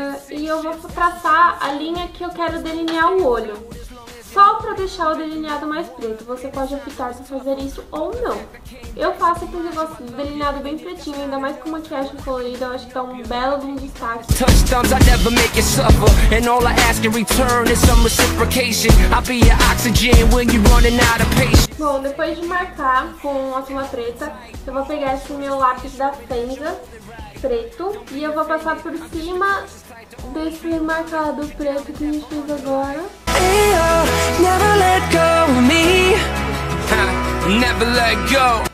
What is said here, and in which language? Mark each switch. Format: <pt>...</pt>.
<pt>E eu vou traçar a linha que eu quero delinear o olho. Só pra deixar o delineado mais preto. Você pode optar se fazer isso ou não. Eu faço esse negócio de delineado bem pretinho, ainda mais com maquiagem colorida. Eu acho que tá um belo de um destaque.</pt> <en>Touch thumbs, I never make you suffer. And all I ask in return is some reciprocation. I'll be your oxygen when you're running out of patience.</en> <pt>Bom, depois de marcar com a tinta preta, eu vou pegar esse meu lápis da Fenza preto e eu vou passar por cima desse marcado preto que a gente fez agora.</pt> <en>Never let go of me. Never let go.</en>